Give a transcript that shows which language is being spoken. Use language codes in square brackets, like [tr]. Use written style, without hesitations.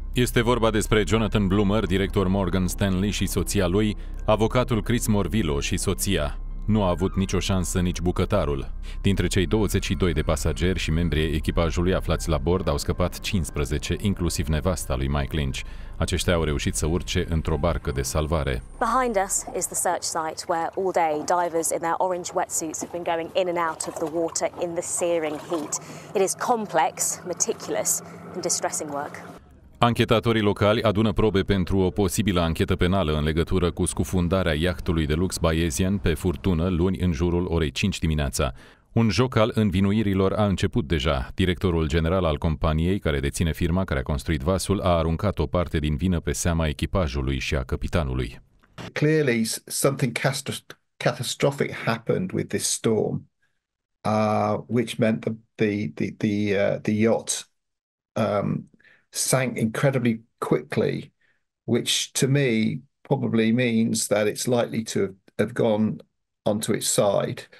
[ro] Este vorba despre Jonathan Bloomer, director Morgan Stanley și soția lui, avocatul Chris Morvillo și soția. Nu a avut nicio șansă nici bucătarul. Dintre cei 22 de pasageri și membrii echipajului aflați la bord, au scăpat 15, inclusiv nevasta lui Mike Lynch. Aceștia au reușit să urce într-o barcă de salvare. [en] Behind us is the search site where all day divers in their orange wetsuits have been going in and out of the water in the searing heat. It is complex, meticulous and distressing work. [ro] Anchetatorii locali adună probe pentru o posibilă anchetă penală în legătură cu scufundarea iahtului de lux Bayesian pe furtună luni în jurul orei 5 dimineața. Un joc al învinuirilor a început deja. Directorul general al companiei, care deține firma care a construit vasul, a aruncat o parte din vină pe seama echipajului și a capitanului. [en] Clearly something catastrophic happened with this storm, which meant the yacht sank incredibly quickly, which to me probably means that it's likely to have gone onto its side.